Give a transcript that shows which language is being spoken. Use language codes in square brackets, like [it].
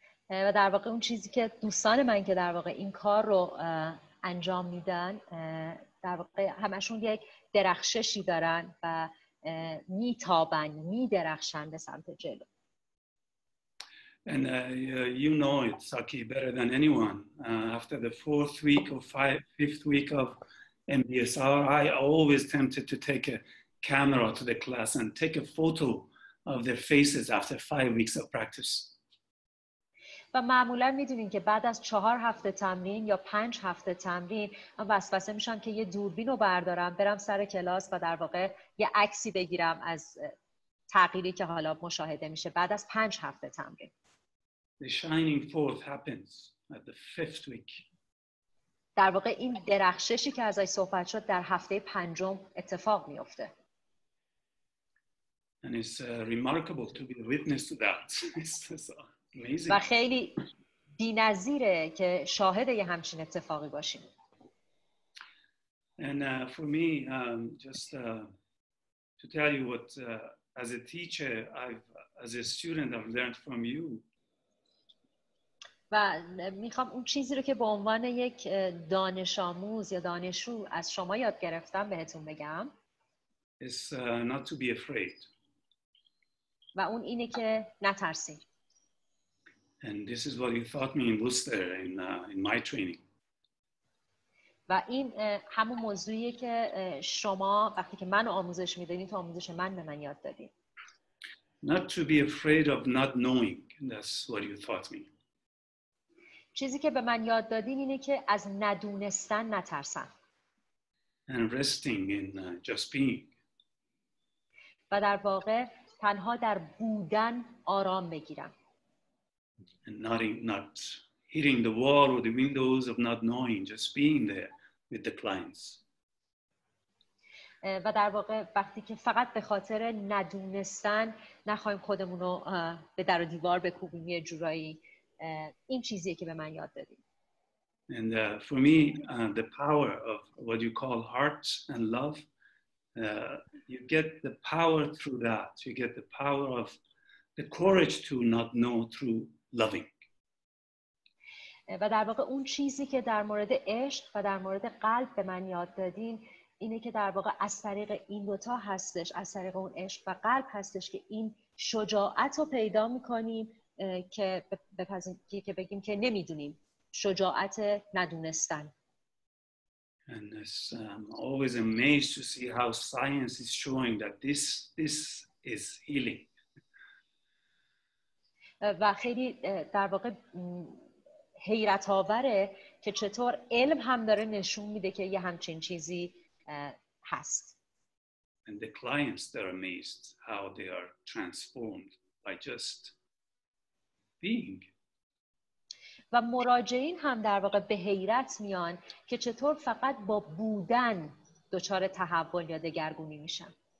[fa] و در واقع اون چیزی که دوستان من که در واقع این کار رو انجام میدن در واقع همشون یک درخششی دارن و میتابن میدرخشن به سمت جلو. [en] And you know it, Saki, better than anyone. After the fourth week or fifth week of MBSR, I always tempted to take a camera to the class and take a photo of their faces after 5 weeks of practice. [fa] و معمولا میدونین که بعد از 4 هفته تمرین یا 5 هفته تمرین من وسوسه میشم که یه دوربین رو بردارم برم سر کلاس و در واقع یه عکسی بگیرم از تغییری که حالا مشاهده میشه بعد از 5 هفته تمرین. [en] The shining forth happens at the fifth week. [fa] در واقع این درخششی که ازش صحبت شد در هفته پنجم اتفاق میفته. [en] And it's remarkable to be a witness to that. It's amazing. [fa] و خیلی بی‌نظیره که شاهد یه همچین اتفاقی باشیم. [en] And for me to tell you what as a teacher as a student I've learned from you. [fa] و میخوام اون چیزی رو که به عنوان یک دانش آموز یا دانشجو از شما یاد گرفتم بهتون بگم. [en] It's not to be afraid. [fa] و اون اینه که نترسید. [en] And this is what you taught me in Worcester in my training. [fa] و این همون موضوعیه که شما وقتی که منو آموزش میدین تو آموزش من یاد دادین. [en] Not to be afraid of not knowing. That's what you taught me. [fa] چیزی که به من یاد دادین اینه که از ندونستن نترسم. [en] And resting in just being. [fa] و در واقع تنها در بودن آرام بگیرم. [en] And not hitting the wall or the windows of not knowing, just being there with the clients. [fa] و در واقع وقتی که فقط به خاطر ندونستن نخواهیم خودمون رو به در و دیوار بکوبیم یه جورایی. این چیزیه که به من یاد دادیم. [en] And for me, the power of what you call heart and love, you get the power through that. You get the power of the courage to not know through loving. [fa] و در واقع اون چیزی که در مورد عشق و در مورد قلب به من یاد دادین اینه که در واقع از طریق این دوتا هستش، از طریق اون عشق و قلب هستش که این شجاعت رو پیدا میکنیم که بپذیریم که بگیم که نمیدونیم، شجاعت ندونستن. [en] And I'm always amazed to see how science is showing that this is healing. [fa] و خیلی در واقع حیرت آوره که چطور علم هم داره نشون میده که یه همچین چیزی هست. [en] And the clients are amazed how they are transformed by just being. [fa] و مراجعین هم در واقع به حیرت میان که چطور فقط با بودن دچار تحول یا دگرگونی میشن.